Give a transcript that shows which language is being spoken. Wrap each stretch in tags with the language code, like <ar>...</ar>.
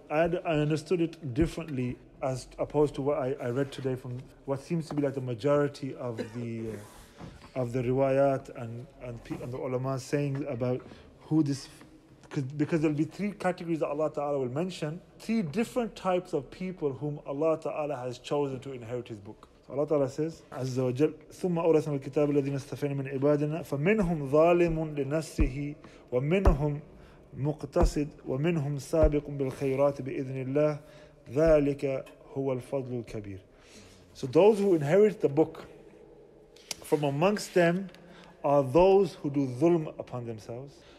<en>I understood it differently as opposed to what I read today from what seems to be like the majority of the riwayat and the ulama saying about who this... Because there will be three categories that Allah Ta'ala will mention. Three different types of people whom Allah Ta'ala has chosen to inherit His book. So Allah Ta'ala says,</en> <ar>عز وجل ثُمَّ أَوْرَثْنَا الْكِتَابَ الَّذِينَ اسْتَفَيْنَا مِنْ عِبَادِنَا فَمِنْهُمْ ظَالِمٌ لِنَفْسِهِ وَمِنْهُمْ مُقْتَصِدٌ وَمِنْهُمْ سَابِقٌ بِالْخَيْرَاتِ بِإِذْنِ اللَّهِ ذَلِكَ هُوَ الْفَضْلُ الْكَبِيرُ.</ar> <en>So those who inherit the book, from amongst them are those who do dhulm upon themselves.</en>